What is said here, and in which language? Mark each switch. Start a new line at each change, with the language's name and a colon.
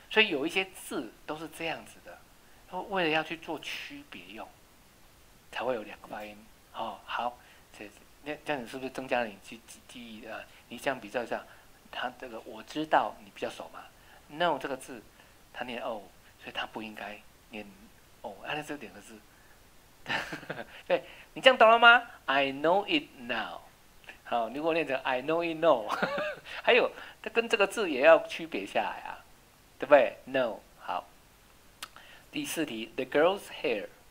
Chinese: 所以有一些字都是这样子的，为了要去做区别用，才会有两个发音。哦，好，这样子是不是增加了你去记忆啊？你这样比较一下，他这个我知道你比较熟嘛？No 这个字，他念 o，所以他不应该念 o，按这两个字。对，你这样懂了吗？
English: I know it now。
Chinese: 好，你如果念成
English: I know it no，
Chinese: 还有它跟这个字也要区别下来啊，对不对？No，好。第四题，
English: The girl's hair。